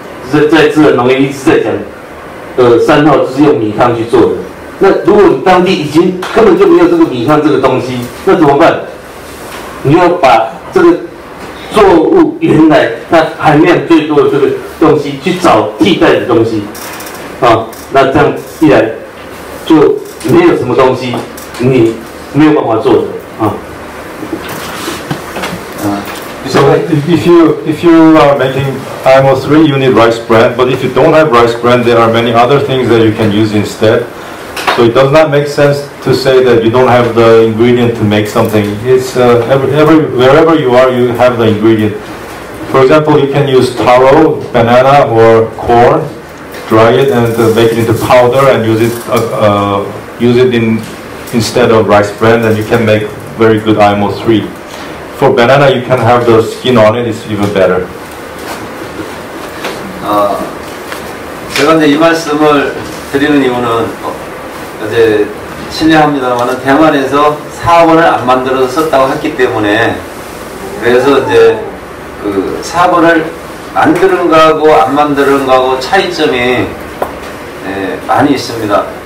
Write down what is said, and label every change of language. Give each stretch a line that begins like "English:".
Chinese: 在自然农业一直在讲，三号就是用米糠去做的。那如果你当地已经根本就没有这个米糠这个东西，那怎么办？你要把这个作物原来它含量最多的这个东西去找替代的东西，啊，那这样一来就没有什么东西你没有办法做的啊。
English: So if you are making IMO3, you need rice bran. But if you don't have rice bran, there are many other things that you can use instead. So it does not make sense to say that you don't have the ingredient to make something. It's wherever you are, you have the ingredient. For example, you can use taro, banana, or corn, dry it and make it into powder and use it instead of rice bran, and you can make very good IMO3. For banana, you can have the skin on it. It's even better.
Korean: 제가 이제 이 말씀을 드리는 이유는 이제 실례합니다만은 대만에서 4번을 안 만들어서 썼다고 했기 때문에 그래서 이제 그 4번을 만드는 거하고 안 만드는 거하고 차이점이 많이 있습니다.